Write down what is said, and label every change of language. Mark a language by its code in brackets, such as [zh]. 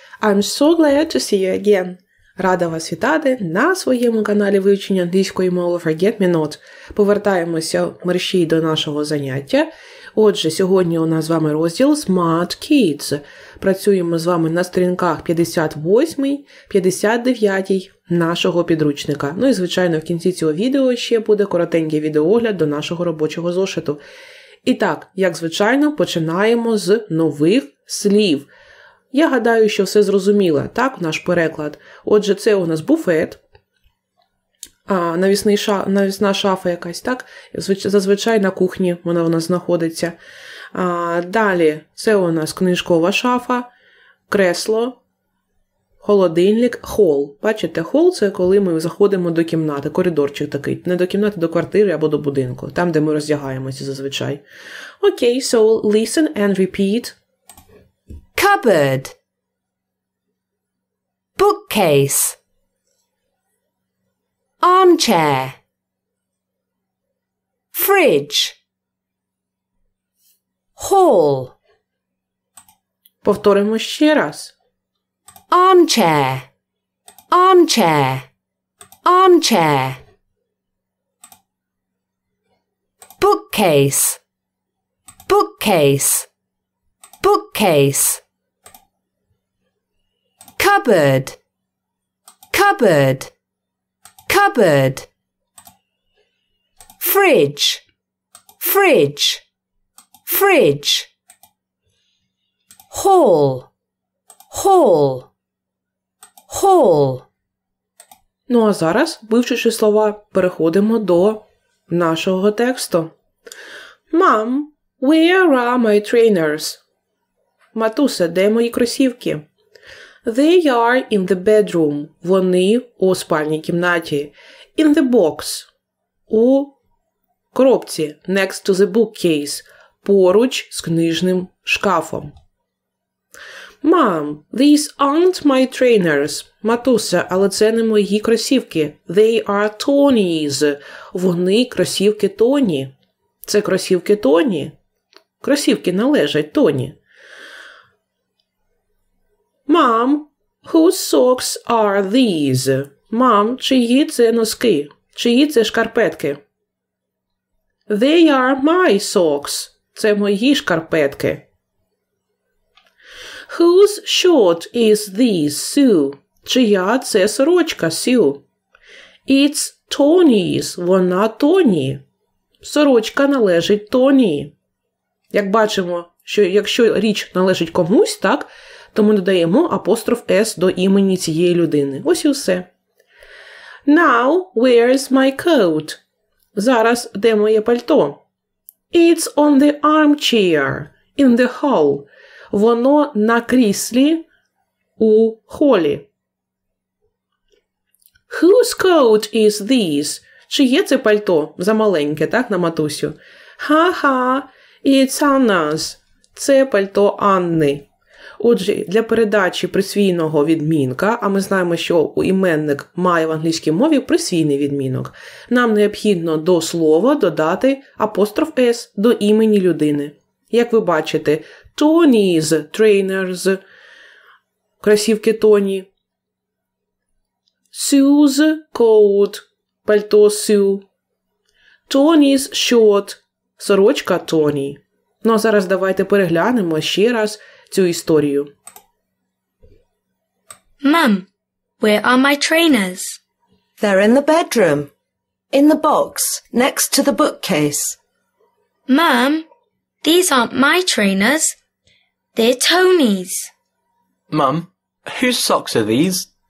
[en] I'm so glad to see you again. [uk] Рада вас вітати на своєму каналі вивчення англійської мови Forget Me Not. Повертаємося мерщій до нашого заняття. Отже, сьогодні у нас з вами розділ Smart Kids. Працюємо з вами на сторінках 58-59 нашого підручника. Ну і, звичайно, в кінці цього відео ще буде коротенький відеоогляд до нашого робочого зошиту. І так, як звичайно, починаємо з нових слів. Я гадаю, що все зрозуміло, так, наш переклад. Отже, це у нас буфет, навісна шафа якась, так, зазвичай на кухні вона у нас знаходиться. Далі, це у нас книжкова шафа, кресло, холодильник, хол. Бачите, хол – це коли ми заходимо до кімнати, коридорчик такий. Не до кімнати, до квартири або до будинку. Там, де ми роздягаємося зазвичай. [en] Окей, so listen and repeat. Cupboard. Bookcase. Armchair. Fridge. Hall. [uk] Повторимо ще раз. [en] Armchair, armchair, armchair. Bookcase, bookcase, bookcase. Cupboard, cupboard, cupboard. Fridge, fridge, fridge. Hall, hall. Hall. [uk] Ну а зараз, вивчивши слова, переходимо до нашого тексту. [en] Mom, where are my trainers? [uk] Матуся, де мої кросівки? [en] They are in the bedroom. [uk] Вони у спальній кімнаті. [en] In the box. [uk] У коробці. [en] Next to the bookcase. [uk] Поруч з книжним шкафом. [en] Mom, these aren't my trainers. [uk] Матуся, але це не мої кросівки. [en] They are Tony's. [uk] Вони кросівки Тоні. Це кросівки Тоні. Кросівки належать Тоні. [en] Mom, whose socks are these? [uk] Мам, чиї це носки? Чиї це шкарпетки? [en] They are my socks. [uk] Це мої шкарпетки. [en] Whose shirt is this, Sue? Чия це сорочка, Sue? It's Tony's. [uk] Вона Тоні. Сорочка належить Тоні. Як бачимо, що якщо річ належить комусь, так, то ми додаємо апостроф S до імені цієї людини. Ось і все. [en] Now, where's my coat? [uk] Зараз де моє пальто? [en] It's on the armchair in the hall. [uk] Воно на кріслі у холі. [en] Whose coat is this? [uk] Чиє це пальто? За маленьке, так, на матусю. [en] Ха-ха, it's Anna's. [uk] Це пальто Анни. Отже, для передачі присвійного відмінка, а ми знаємо, що у іменник має в англійській мові присвійний відмінок, нам необхідно до слова додати апостроф S до імені людини. Як ви бачите, [en] Tony's trainers, [uk] кросівки Тоні, [en] Sue's coat, [uk] пальто Sue, [en] Tony's shirt, [uk] сорочка Тоні. Ну а зараз давайте переглянемо ще раз цю історію. [en] Mom, where are my trainers? They're in the bedroom, in the box, next to the bookcase. Mom, these aren't my trainers. They're Tony's. Mum, whose socks are these?